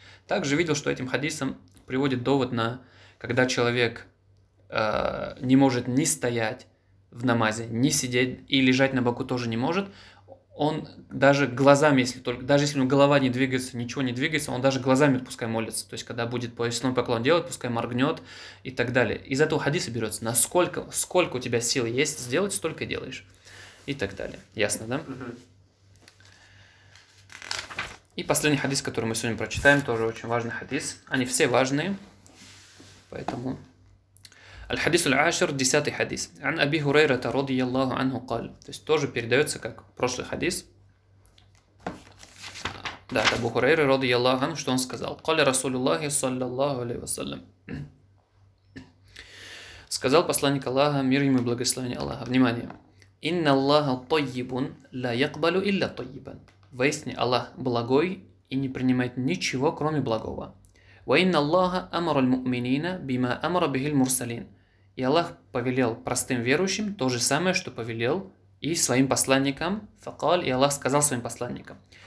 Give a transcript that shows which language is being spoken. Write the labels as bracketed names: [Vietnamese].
[Russian] Также видел, что этим хадисом приводит довод на, когда человек не может ни стоять в намазе, ни сидеть, и лежать на боку тоже не может, он даже глазами, если только, даже если у него голова не двигается, ничего не двигается, он даже глазами пускай молится, то есть когда будет поясной поклон делать, пускай моргнет и так далее. Из этого хадиса берется, насколько, сколько у тебя сил есть сделать, столько делаешь и так далее. Ясно, да? И последний хадис, который мы сегодня прочитаем, тоже очень важный хадис. Они все важные, поэтому... [Arabic] الحديث العاشر [Russian] десятый хадис [Arabic] عن أبي هريرة رضي الله عنه قال. [Russian] То есть тоже передается как прошлый хадис. Да, это Абу Хурайра [Arabic] رضي الله عنه, [Russian] что он сказал. [Arabic] قال رسول الله صلى الله عليه وسلم. [Russian] Сказал посланник Аллаха, мир ему и благословение Аллаха. Внимание. [Arabic] إن الله طيب لا يقبل إلا طيبا. [Russian] Воистине Аллах благой и не принимает ничего кроме благого. [Arabic] وَإِنَّ اللَّهَ أَمَرَ الْمُؤْمِنِينَ بِمَا أَمَرَ بِهِ الْمُرْسَلِينَ. [Russian] И Аллах повелел простым верующим то же самое, что повелел и своим посланникам. [Arabic] فقال, [Russian] и Аллах сказал своим посланникам.